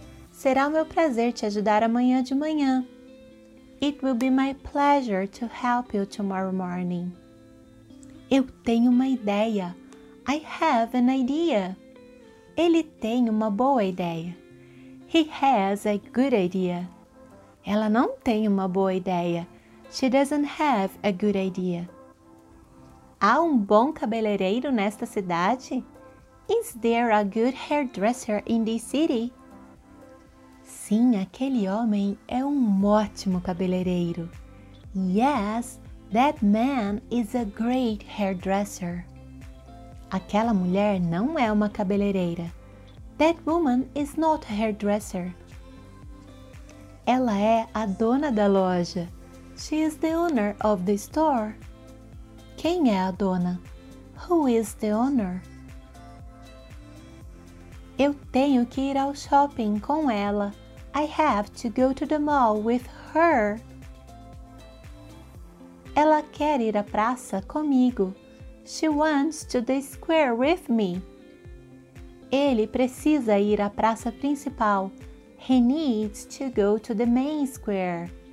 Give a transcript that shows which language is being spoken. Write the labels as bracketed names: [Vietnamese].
[Portuguese] Será o meu prazer te ajudar amanhã de manhã. [English] It will be my pleasure to help you tomorrow morning. [Portuguese] Eu tenho uma ideia. [English] I have an idea. [Portuguese] Ele tem uma boa ideia. [English] He has a good idea. [Portuguese] Ela não tem uma boa ideia. [English] She doesn't have a good idea. [Portuguese] Há bom cabeleireiro nesta cidade? [English] Is there a good hairdresser in this city? [Portuguese] Sim, aquele homem ótimo cabeleireiro. [English] Yes, that man is a great hairdresser. [Portuguese] Aquela mulher não uma cabeleireira. [English] That woman is not a hairdresser. [Portuguese] Ela a dona da loja. [English] She is the owner of the store. [Portuguese] Quem a dona? [English] Who is the owner? [Portuguese] Eu tenho que ir ao shopping com ela. [English] I have to go to the mall with her. [Portuguese] Ela quer ir à praça comigo. [English] She wants to the square with me. [Portuguese] Ele precisa ir à praça principal. [English] He needs to go to the main square.